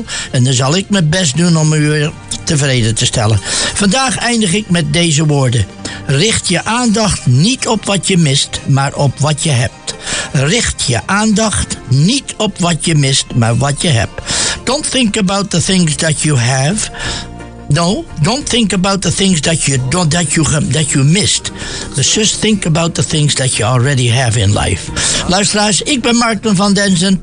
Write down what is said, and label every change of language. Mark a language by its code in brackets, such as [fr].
[nl] En dan zal ik mijn best doen om u weer tevreden te stellen. Vandaag eindig ik met deze woorden. Richt je aandacht niet op wat je mist, maar op wat je hebt. Richt je aandacht niet op wat je mist, maar wat je hebt. [en] Don't think about the things that you have. No, don't think about the things that you missed. Let's just think about the things that you already have in life. [nl] Luisteraars, ik ben Martin van Denzen.